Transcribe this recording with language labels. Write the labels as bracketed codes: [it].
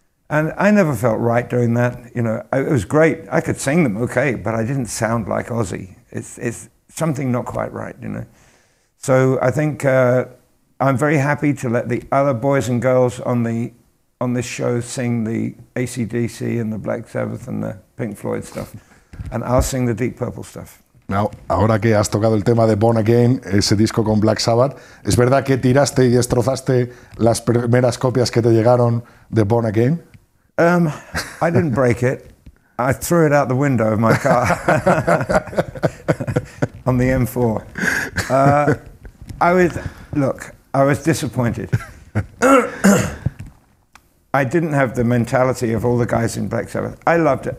[en] And I never felt right doing that. You know, it was great. I could sing them, okay, but I didn't sound like Ozzy. It's something not quite right, you know. So I think I'm very happy to let the other boys and girls on this show sing the AC/DC and the Black Sabbath and the Pink Floyd stuff. And I'll sing the Deep Purple stuff. Now, [es] ahora que has tocado el tema de Born Again, ese disco con Black Sabbath, ¿es verdad que tiraste y destrozaste las primeras copias que te llegaron de Born Again? [en] I didn't break it. I threw it out the window of my car on the M4. I was disappointed. I didn't have the mentality of all the guys in Black Sabbath. I loved it.